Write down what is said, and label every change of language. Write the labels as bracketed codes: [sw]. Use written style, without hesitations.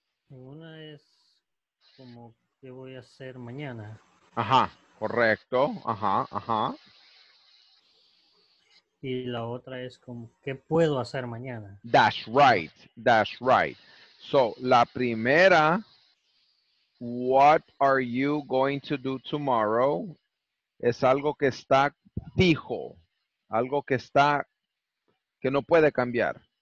[es] Una es como qué voy a hacer mañana. Ajá, correcto. Ajá, ajá. Y la otra es como qué puedo hacer mañana. [en] That's right. That's right. So, [es] la primera, [en] what are you going to do tomorrow? [es] Es algo que está fijo, algo que está, que no puede cambiar.